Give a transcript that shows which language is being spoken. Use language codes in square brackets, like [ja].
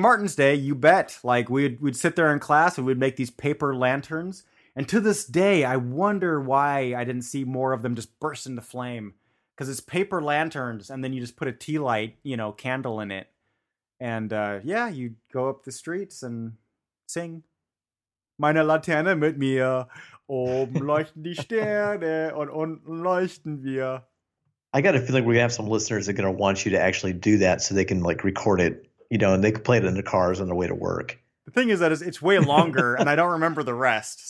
[en] Martin's Day, you bet, like we'd sit there in class and we'd make these paper lanterns. And to this day, I wonder why I didn't see more of them just burst into flame. Because it's paper lanterns, and then you just put a tea light, you know, candle in it. And you go up the streets and sing. [de] Meine Laterne mit mir, oben leuchten die Sterne und unten leuchten wir. [en] I got a feeling we're going to have some listeners that are going to want you to actually do that so they can, like, record it, you know, and they can play it in their cars on their way to work. The thing is that it's way longer, and I don't remember the rest.